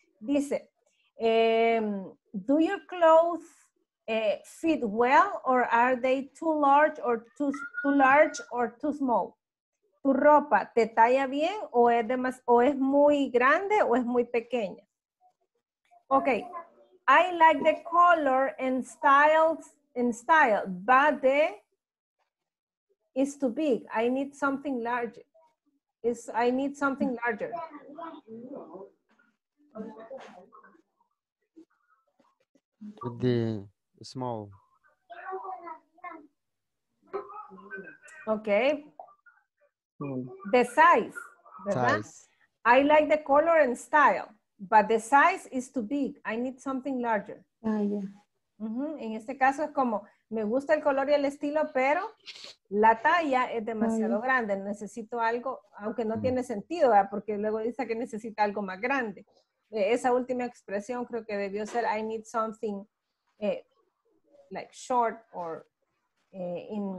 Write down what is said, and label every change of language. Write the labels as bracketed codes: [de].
[en] Dice, do your clothes fit well or are they too large or too large or too small? [es] ¿Tu ropa te talla bien o es demasiado, o es muy grande o es muy pequeña? [en] Okay. I like the color and styles and style, but the is too big. I need something larger. I need something larger. The small. Okay. Mm. The size. Size. I like the color and style, but the size is too big. I need something larger. Yeah. [es] En este caso es como, me gusta el color y el estilo, pero la talla es demasiado grande. Necesito algo, aunque no tiene sentido, ¿verdad? Porque luego dice que necesita algo más grande. Esa última expresión creo que debió ser [en] I need something like short or in